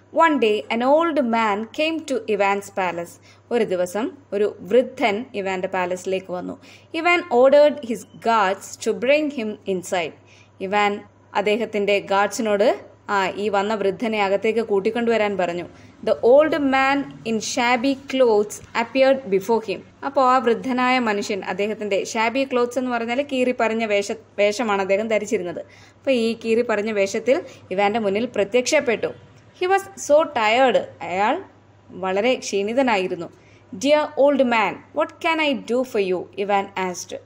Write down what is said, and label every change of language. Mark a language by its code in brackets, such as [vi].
[en] One day an old man came to Ivan's palace. [ml] ഒരു ദിവസം ഒരു വൃദ്ധൻ ഇവാന്റെ പാലസിലേക്ക് വന്നു. [en] Ivan ordered his guards to bring him inside. [ml] Ivan അദ്ദേഹത്തിന്റെ ഗാർഡ്സിനോട് ഈ വന്ന വൃദ്ധനെ അകത്തേക്ക് കൂട്ടിക്കൊണ്ടുവരാൻ പറഞ്ഞു. [en] The old man in shabby clothes appeared before him. [ml] അപ്പോൾ ആ വൃദ്ധനായ മനുഷ്യൻ, അദ്ദേഹത്തിന്റെ ഷാബി ക്ലോത്ത്സ് എന്ന് പറഞ്ഞാൽ കീറി പറഞ്ഞ വേഷമാണ് അദ്ദേഹം ധരിച്ചിരുന്നത്. അപ്പോൾ ഈ കീറി പറഞ്ഞ വേഷത്തിൽ ഇവാന്റെ മുന്നിൽ പ്രത്യക്ഷപ്പെട്ടു. [en] He was so tired. [ml] അയാൾ വളരെ ക്ഷീണിതനായിരുന്നു. [en] Dear old man, what can I do for you, Ivan asked.